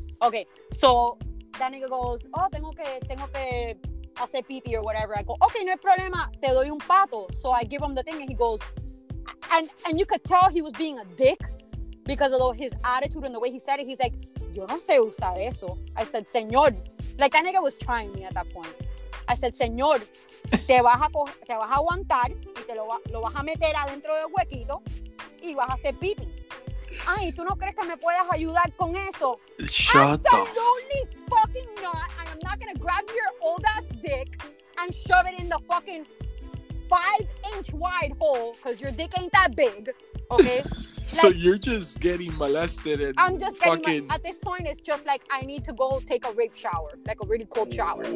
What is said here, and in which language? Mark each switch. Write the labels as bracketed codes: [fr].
[en] Okay. So that nigga goes, oh, [es] tengo que hacer pipi [en] or whatever. I go, okay, [es] no hay problema, te doy un pato. [en] So I give him the thing and he goes, and you could tell he was being a dick because of his attitude and the way he said it. He's like, [es] yo no sé usar eso. [en] I said, señor, like that nigga was trying me at that point. I said, [es] señor, te vas a aguantar y te lo vas a meter adentro del huequito y vas a hacer pipi. Ay, ¿tú no crees que me puedas ayudar con eso? [en] Shut up. Absolutely fucking not. I am not going to grab your old ass dick and shove it in the fucking 5-inch wide hole because your dick ain't that big. Okay? Like, so you're just getting molested and I'm just fucking... getting at this point it's just like I need to go take a rape shower, like a really cold shower.